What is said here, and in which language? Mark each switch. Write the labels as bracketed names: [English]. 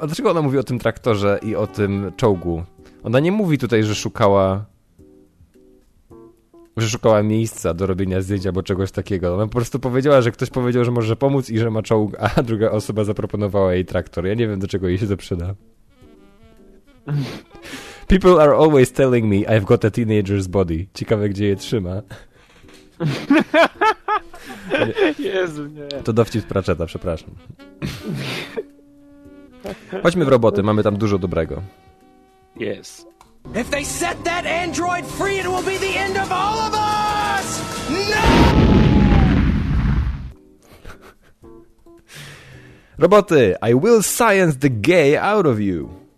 [Polish] A dlaczego ona mówi o tym traktorze i o tym czołgu? Ona nie mówi tutaj, że szukała... Że szukała miejsca do robienia zdjęcia albo czegoś takiego. Ona po prostu powiedziała, że ktoś powiedział, że może pomóc i że ma czołg, a druga osoba zaproponowała jej traktor. Ja nie wiem, do czego jej się to przyda. People are always telling me I've got a teenager's body. Ciekawe, gdzie je trzyma. Jezu, nie. To dowcip z Pratchetta, przepraszam. Chodźmy w roboty, mamy tam dużo dobrego. [English] Yes. If they set that android free, it will be the end of all of us! No! Roboty, I will science the gay out of you.